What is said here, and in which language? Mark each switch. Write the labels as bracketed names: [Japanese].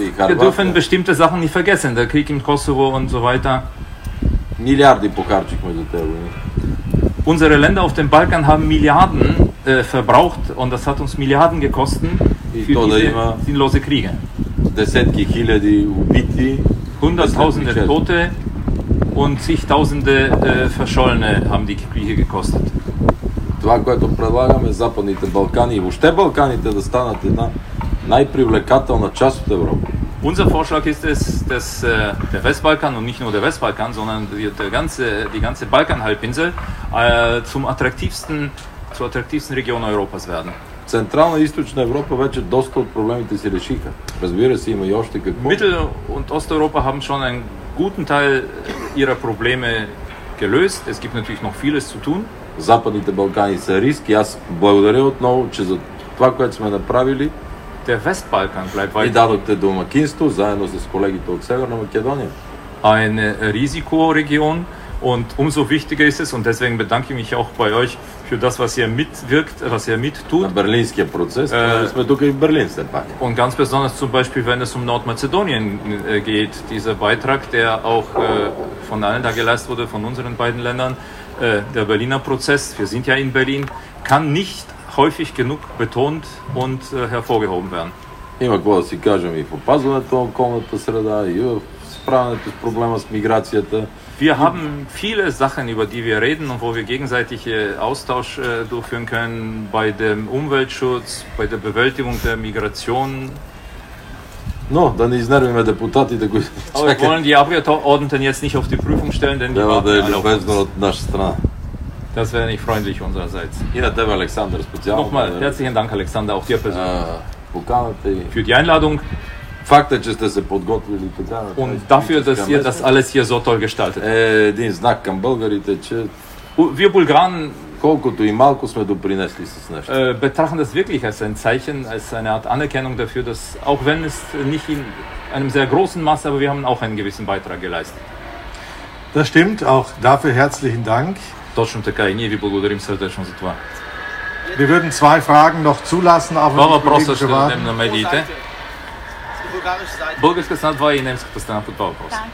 [German] Wir dürfen bestimmte Sachen nicht vergessen, der Krieg im Kosovo und so weiter. [Bulgarian] Милиарди похарчихме за тези войни. [German] Unsere Länder auf dem Balkan haben Milliarden verbraucht und das hat uns Milliarden gekostet für diese sinnlose Kriege. [Bulgarian] Десетки хиляди убити, [German] Hunderttausende Tote und zigtausende Verschollene haben die Kriege gekostet. [Bulgarian] това, което предлагаме Западните Балкани и въобще Балканите да станат една най-привлекателна част от Европа. [German] Unser Vorschlag ist es, dass der Westbalkan und nicht nur der Westbalkan, sondern die ganze Balkanhalbinsel zur attraktivsten Region Europas werden. Zentral- und Osteuropa [Bulgarian] вече доста от проблемите си решиха. Разбира се, има и още какво. [German] Mittel- und Osteuropa haben schon einen guten Teil ihrer Probleme gelöst. Es gibt natürlich noch vieles zu tun. [Bulgarian] Западните Балкани са риск. Аз благодаря отново, че за това, което сме направили. [German] Der Westbalkan bleibt weiter. [Bulgarian] И дадохте домакинство заедно с колегите от Северна Македония. [German] Eine Risikoregion und umso wichtiger ist es und deswegen bedanke ich mich auch bei euch für das, was ihr mitwirkt, was ihr mittut. [Bulgarian] На Берлинския процес, сме тук и в Берлин все пак. [German] Und ganz besonders zum Beispiel, wenn es Nordmazedonien geht, dieser Beitrag, der auch von allen da geleistet wurde, von unseren beiden Ländern, der Berliner Prozess, wir sind ja in Berlin, kann nicht häufig genug betont und hervorgehoben werden. [Bulgarian] Има какво да си кажем и в опазването на околната среда, и в справянето с проблема с миграцията. [German] Wir haben viele Sachen, über die wir reden und wo wir gegenseitig Austausch durchführen können, bei dem Umweltschutz, bei der Bewältigung der Migration. [Bulgarian] Но да не изнервиме депутатите, които чакат. [German] Aber wollen die Abgeordneten jetzt nicht auf die Prüfung stellen, denn die warten alle auf uns. [Bulgarian] От наша страна. [German] Das wäre nicht freundlich unsererseits. Ja, der war Alexander speziell. Nochmal, herzlichen Dank, Alexander, auch dir persönlich. Für die Einladung. [Bulgarian] Факт е, че сте се подготвили така. [German] Und dafür, dass ihr das alles hier so toll gestaltet. [Bulgarian] Един знак към българите, че [German] wir Bulgaren, [Bulgarian] колкото и малко сме допринесли с нещо. [German] Betrachten das wirklich als ein Zeichen, als eine Art Anerkennung dafür, dass auch wenn es nicht in einem sehr großen Maß, aber wir haben auch einen gewissen Beitrag geleistet. Das stimmt, auch dafür herzlichen Dank. [Bulgarian] Точно така и ние ви благодарим сърдечно за това. [German] Wir würden zwei Fragen noch zulassen, aber [Bulgarian] два въпроса ще дадем на медиите. Българска страна 2 и немската страна по това въпрос.